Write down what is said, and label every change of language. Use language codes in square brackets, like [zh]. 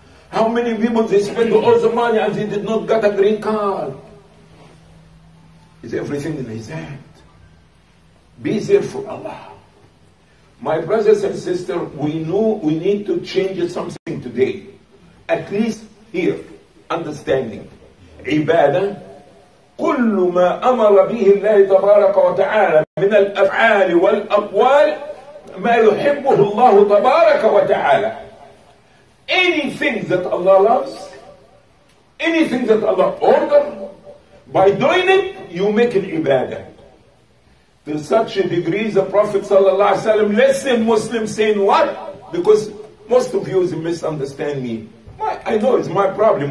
[en] How many people they spent all the money and they did not get a green card? Is everything in his hand? Be there for Allah. My brothers and sisters, we know we need to change something today. At least here, understanding. Ibadah. [ar] كل ما أمر به الله تبارك وتعالى من الأفعال والأقوال ما يحبه الله تبارك وتعالى. [en] Anything that Allah loves, anything that Allah orders, by doing it, you make an ibadah. To such a degree, the Prophet sallallahu alaihi wasallam, listen, Muslim, saying what? Because most of you misunderstand me. I know it's my problem.